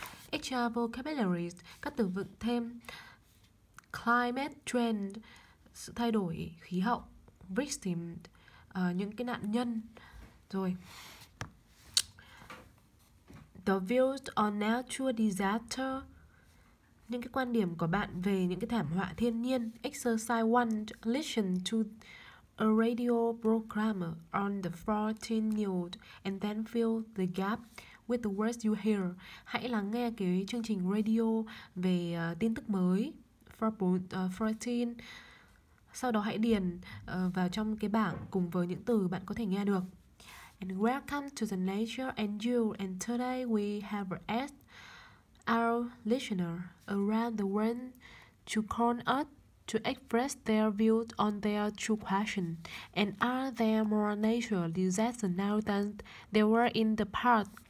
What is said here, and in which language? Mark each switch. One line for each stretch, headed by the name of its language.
English: Extra vocabularies,
Vietnamese: các từ vựng thêm.
English: Climate trend,
Vietnamese: sự thay đổi khí hậu. Victim, những cái nạn nhân. Rồi.
English: The views on natural disaster.
Vietnamese: Những cái quan điểm của bạn về những cái thảm họa thiên nhiên.
English: Exercise 1. Listen to a radio program on the 14th news and then fill the gap with the words you hear.
Vietnamese: Hãy lắng nghe cái chương trình radio về tin tức mới 14. Sau đó hãy điền vào trong cái bảng cùng với những từ bạn có thể nghe được.
English: And welcome to the Nature and You. And today we have asked our listener around the world to call us to express their views on their two questions. And are there more natural disasters now than there were in the past?